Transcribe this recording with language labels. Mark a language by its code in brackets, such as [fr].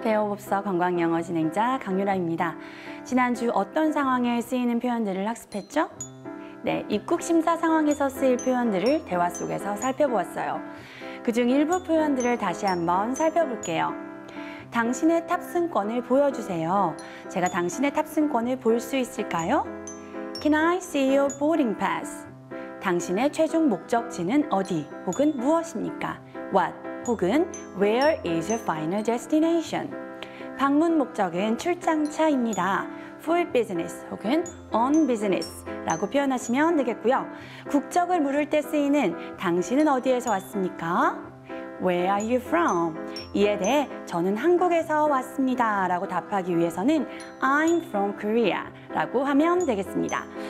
[ko] 배워봅서 관광영어 진행자 강유라입니다. 지난주 어떤 상황에 쓰이는 표현들을 학습했죠? 네, 입국 심사 상황에서 쓰일 표현들을 대화 속에서 살펴보았어요. 그중 일부 표현들을 다시 한번 살펴볼게요. 당신의 탑승권을 보여주세요. 제가 당신의 탑승권을 볼 수 있을까요? [en] Can I see your boarding pass? [ko] 당신의 최종 목적지는 어디 혹은 무엇입니까? [en] What [ko] 혹은 [en] Where is your final destination? [ko] 방문 목적은 출장차입니다. Full business 혹은 on business 라고 표현하시면 되겠고요. 국적을 물을 때 쓰이는 당신은 어디에서 왔습니까? [en] Where are you from? [ko] 이에 대해 저는 한국에서 왔습니다 라고 답하기 위해서는 [en] I'm from Korea [ko] 라고 하면 되겠습니다.